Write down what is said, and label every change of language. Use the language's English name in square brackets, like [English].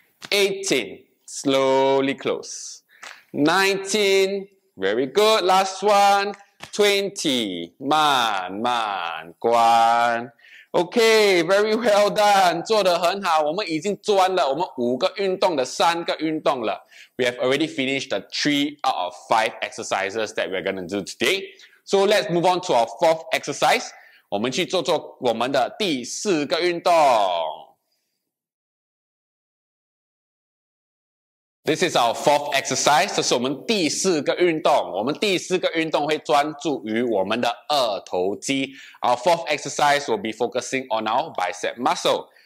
[English] 18, slowly close. 19, very good. Last one, 20, [Chinese] 慢慢关. [English] Okay, very well done. [Chinese] 做得很好。我们已经做完了我们五个运动的三个运动了。 [English] We have already finished the 3 out of 5 exercises that we're going to do today. So let's move on to our 4th exercise. [Chinese] 我们去做做我们的第四个运动。 [English] This is our 4th exercise. [Chinese] 这是我们第四个运动。我们第四个运动会专注于我们的二头肌。 [English] Our 4th exercise will be focusing on our bicep muscle.